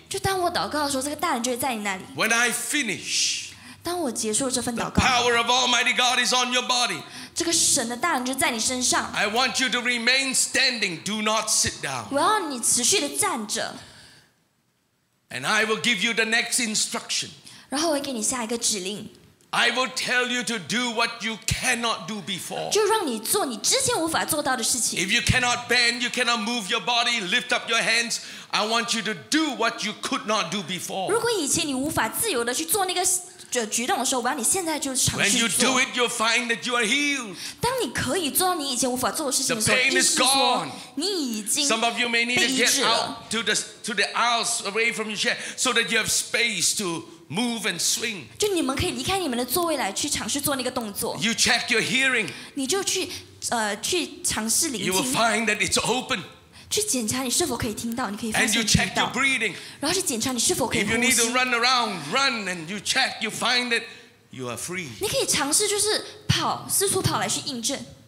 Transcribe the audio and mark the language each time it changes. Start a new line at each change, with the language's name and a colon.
Chinese: 就当我祷告的时候，这个大能就会在你那里。
English: When I finish,
Chinese: 当我结束了这份祷告，
English: the power of Almighty God is on your body.
Chinese: 这个神的大能就在你身上。
English: I want you to remain standing, do not sit down.
Chinese: 我要你持续的站着。
English: And I will give you the next instruction.
Chinese: 然后我会给你下一个指令。
English: I will tell you to do what you cannot do before.
Chinese: 就让你做你之前无法做到的事情。
English: If you cannot bend, you cannot move your body, lift up your hands. I want you to do what you could not do before.
Chinese: 如果以前你无法自由的去做那个举动的时候，我要你现在就尝试。
English: When you do it, you'll find that you are healed.
Chinese: 当你可以做到你以前无法做的事情的时候，意思是说你已经被医治了。
English: Some of you may need to get out to the aisles away from your chair so that you have space to. Move and swing.
Chinese: 就你们可以离开你们的座位来去尝试做那个动作。
English: You check your hearing.
Chinese: 你就去去尝试聆听。
English: You will find that it's open.
Chinese: 去检查你是否可以听到，你可以发现你听到。
English: And you check your breathing.
Chinese: 然后去检查你是否可以呼吸。
English: If you need to run around, run, and you check, you find that you are free.
Chinese: 你可以尝试就是跑，四处跑来去印证。